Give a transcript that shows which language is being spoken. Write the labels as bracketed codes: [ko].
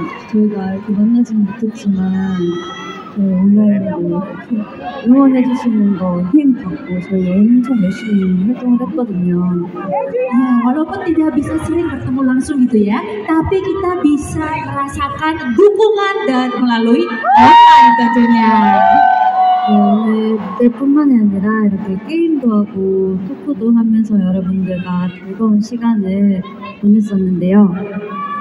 [ko] 저희가 알고 만나지는 못했지만 온라인으로 응원해주시는 거 힘 받고 저희 엄청 열심히 활동을 했거든요. [id] 야, walaupun tidak bisa sering bertemu langsung gitu ya, tapi kita bisa merasakan dukungan dan melalui online tentunya. [ko] 뿐만이 아니라 이렇게 게임도 하고 토크도 하면서 여러분들과 즐거운 시간을 보냈었는데요.